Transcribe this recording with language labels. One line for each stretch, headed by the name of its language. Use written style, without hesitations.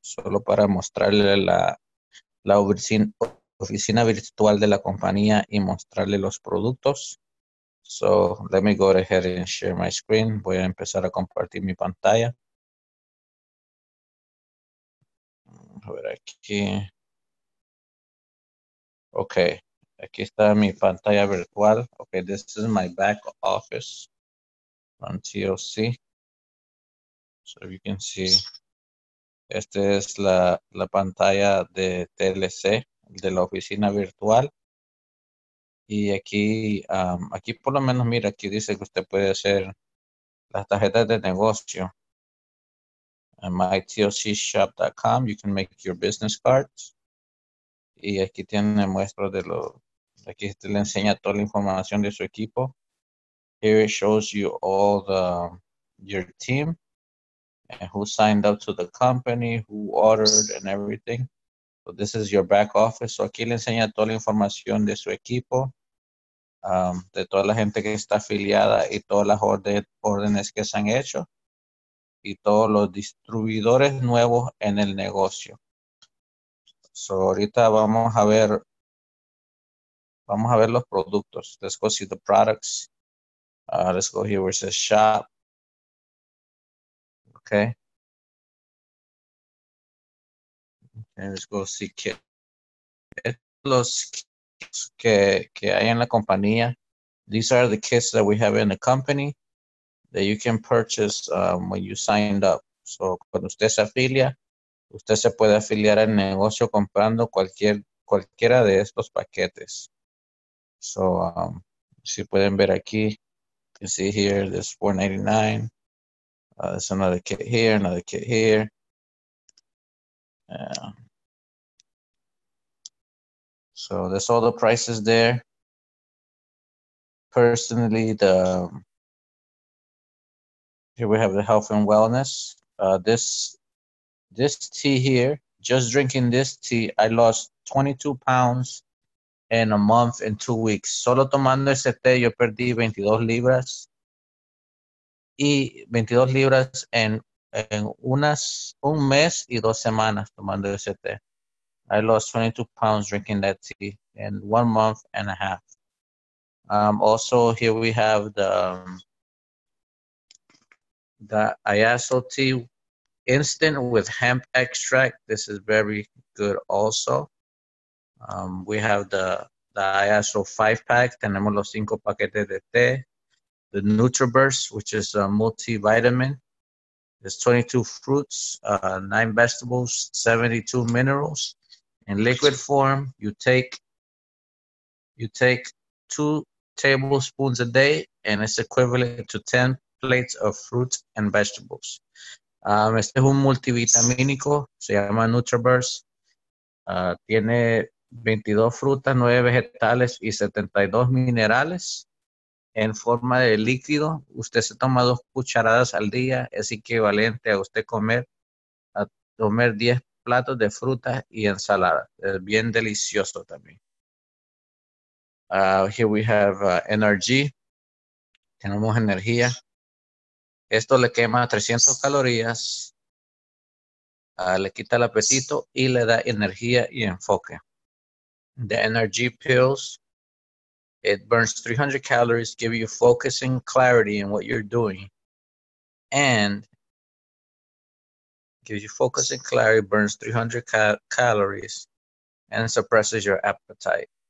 Spanish: Solo para mostrarle la oficina virtual de la compañía y mostrarle los productos.
English: So let me go ahead and share my screen.
Spanish: Voy a empezar a compartir mi pantalla. A ver, aquí.
English: Okay,
Spanish: aquí está mi pantalla virtual.
English: Okay, this is my back office on TOC. So you can see,
Spanish: esta es la pantalla de TLC, de la oficina virtual. Y aquí, aquí por lo menos, mira, aquí dice que usted puede hacer las tarjetas de negocio.
English: mytocshop.com, you can make your business cards.
Spanish: Y aquí tiene muestra de lo, aquí te le enseña toda la información de su equipo.
English: Here it shows you all the, your team, and who signed up to the company, who ordered and everything. So this is your back office.
Spanish: So aquí le enseña toda la información de su equipo, de toda la gente que está afiliada y todas las órdenes que se han hecho. Y todos los distribuidores nuevos en el negocio. So ahorita vamos a ver los productos.
English: Let's go see the products. Let's go here where it says shop. Okay. And let's go see kits.
Spanish: Los kits que hay en la compañía.
English: These are the kits that we have in the company that you can purchase when you signed up.
Spanish: So cuando usted se afilia, usted se puede afiliar al negocio comprando cualquiera de estos paquetes.
English: So
Spanish: si pueden ver aquí,
English: you can see here, this $4.99. There's another kit here, another kit here. So that's all the prices there. Personally, the here we have the health and wellness. This tea here, just drinking this tea, I lost 22 pounds in a month and 2 weeks.
Spanish: Solo tomando ese té, yo perdí 22 libras. Y 22 libras en unas un mes y dos semanas tomando ese té.
English: I lost 22 pounds drinking that tea in 1 month and a half. Also, here we have the Iaso tea instant with hemp extract. This is very good also. We have the Iaso 5-pack.
Spanish: Tenemos los 5 paquetes de té.
English: The Nutriverse, which is a multivitamin. It's 22 fruits, 9 vegetables, 72 minerals. In liquid form, you take 2 tablespoons a day, and it's equivalent to 10 plates of fruits and vegetables.
Spanish: Este es un multivitamínico, se llama Nutriverse. Tiene 22 frutas, 9 vegetales y 72 minerales en forma de líquido. Usted se toma 2 cucharadas al día, es equivalente a usted comer 10 platos de frutas y ensalada. Es bien delicioso también.
English: Here we have energy.
Spanish: Tenemos energía. Esto le quema 300 calorías, le quita el apetito y le da energía y enfoque.
English: The energy pills, it burns 300 calories, give you focus and clarity in what you're doing. And gives you focus and clarity, burns 300 calories and suppresses your appetite.